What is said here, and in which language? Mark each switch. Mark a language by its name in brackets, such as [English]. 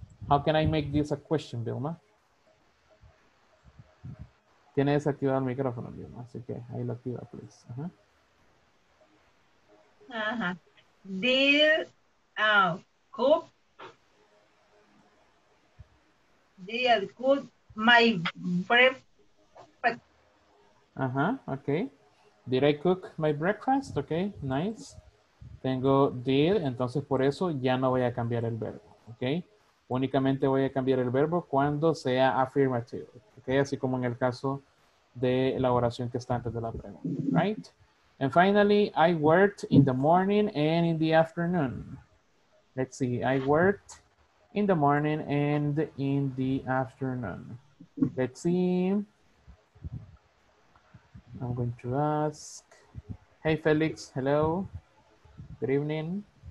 [English] How can I make this a question, Vilma? [Spanish] Tiene desactivado el micrófono, Vilma, así que ahí lo activa, please. Ajá. [English] Ajá. Did I cook my breakfast? Ajá, okay. Did I cook my breakfast? Okay, nice. [Spanish] Tengo did, entonces por eso ya no voy a cambiar el verbo, okay. Únicamente voy a cambiar el verbo cuando sea affirmative, okay. Así como en el caso de la oración que está antes de la pregunta, right? [English] And finally, I worked in the morning and in the afternoon. Let's see, I worked in the morning and in the afternoon. Let's see. I'm going to ask. Hey, Felix, hello. Good evening.